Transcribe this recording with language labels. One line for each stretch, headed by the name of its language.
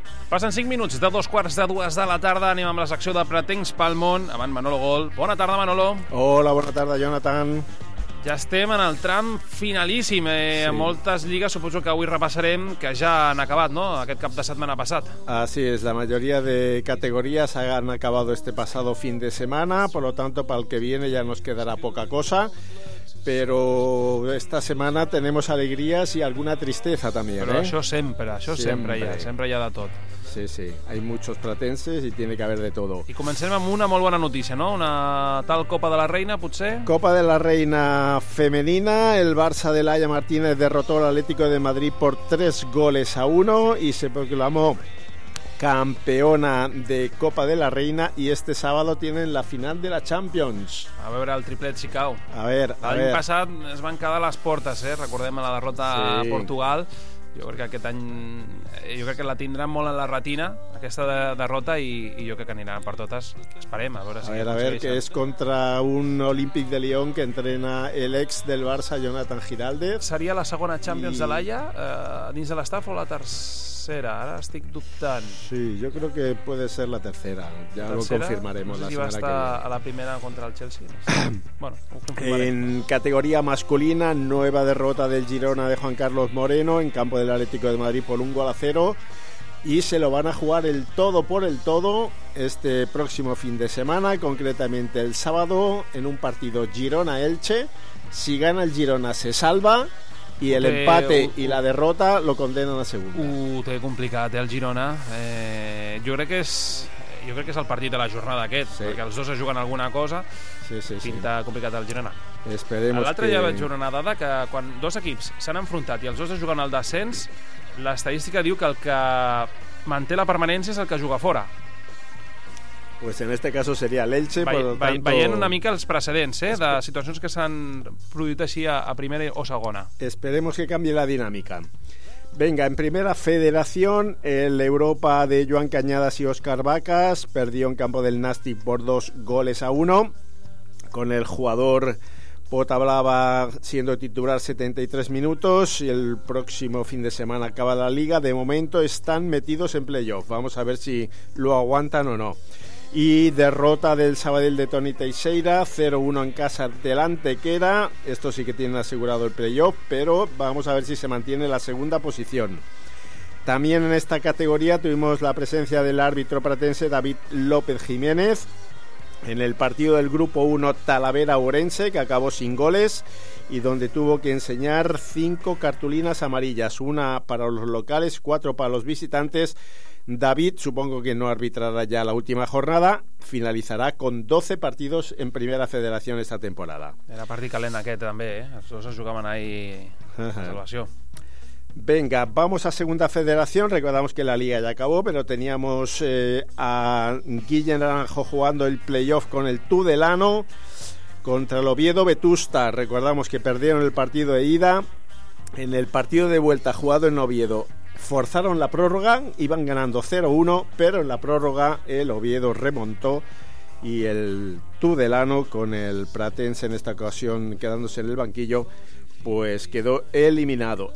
Catalan: Passen 5 minuts de 2:15 de la tarda. Anem amb la secció de Pretencs pel món. Abans, Manolo Gol. Bona tarda, Manolo. Hola, bona tarda, Jonathan. Ja estem en el tram finalíssim. Sí. Moltes lligues, suposo que avui repassarem, que ja han acabat, no?, aquest cap de setmana passat.
Spanish: Así es, la mayoría de categorías han acabado este pasado fin de semana, por lo tanto, para el que viene ya nos quedará poca cosa. Pero esta semana tenemos alegrías y alguna tristeza también.
Catalan: Pero això sempre hi ha de tot.
Spanish: Sí, sí, hay muchos pretenses y tiene que haber de todo.
Catalan: I comencem amb una molt bona notícia, no? Una tal Copa de la Reina, potser?
Spanish: Copa de la Reina femenina. El Barça de Laia Martínez derrotó al Atlético de Madrid por 3-1 y se proclamó campeona de Copa de la Reina, y este sábado tienen la final de la Champions.
Catalan: A veure el triplet si cau.
Spanish: A ver, a ver.
Catalan: L'any passat es van quedar a les portes, eh? Recordem la derrota a Portugal. Jo crec que aquest any, jo crec que la tindran molt en la retina, aquesta derrota, i jo crec que anirà per totes. Esperem, a veure si...
Spanish: A ver,
Catalan: que és contra un Olímpic de Lyon que entrena l'ex del Barça, Jonathan Giraldez. Seria la segona Champions de l'Aia, dins de l'estaf, o la tercera? Ara estic dubtant. Sí, jo crec que
Spanish: puede ser
Catalan: la tercera. Ja ho confirmarem la setmana que ve. No sé si va estar a la primera contra el Chelsea. No sé. Bueno, ho confirmarem.
Spanish: En categoria masculina, nueva derrota del Girona de Juan Carlos Moreno en campo del Atlético de Madrid por 1-0, y se lo van a jugar el todo por el todo este próximo fin de semana, concretamente el sábado, en un partido Girona-Elche. Si gana el Girona, se salva, y el empate y la derrota lo condenan a segunda.
Catalan: Té complicat, el Girona. Jo crec que és el partit de la jornada aquest, sí, perquè els dos es juguen alguna cosa. Sí, pinta complicat el Girona.
Spanish: Esperemos.
Catalan: L'altre dia vaig veure una dada que quan dos equips s'han enfrontat i els dos es juguen al descens, l'estadística diu que el que manté la permanència és el que juga fora.
Spanish: Pues en este caso sería el Elche.
Catalan: Veient una mica els precedents, de situacions que s'han produït així a primera o segona.
Spanish: Esperemos
Catalan: que canvie la dinàmica.
Spanish: Venga, en primera federación, el Europa de Joan Cañadas y Óscar Vacas perdió en campo del Nàstic por 2-1, con el jugador Pota Blava siendo titular 73 minutos, y el próximo fin de semana acaba la liga. De momento están metidos en playoff, vamos a ver si lo aguantan o no. Y derrota del Sabadell de Toni Teixeira, 0-1 en casa del Antequera. Esto sí que tienen asegurado el playoff, pero vamos a ver si se mantiene la segunda posición. También en esta categoría tuvimos la presencia del árbitro pratense David López Jiménez en el partido del grupo 1 Talavera-Ourense, que acabó sin goles y donde tuvo que enseñar 5 cartulinas amarillas, una para los locales, 4 para los visitantes. David, supongo que no arbitrará ya la última jornada, finalizará con 12 partidos en Primera Federación esta temporada.
Catalan: Era partit calent aquest també, Els dos es jugaven ahí a salvació.
Spanish: Venga, vamos a Segunda Federación. Recordamos que la liga ya acabó, pero teníamos a Guillem Naranjo jugando el playoff con el Tudelano contra el Oviedo Vetusta. Recordamos que perdieron el partido de ida. En el partido de vuelta jugado en Oviedo forzaron la prórroga, iban ganando 0-1, pero en la prórroga el Oviedo remontó y el Tudelano, con el pratense en esta ocasión quedándose en el banquillo, pues quedó eliminado.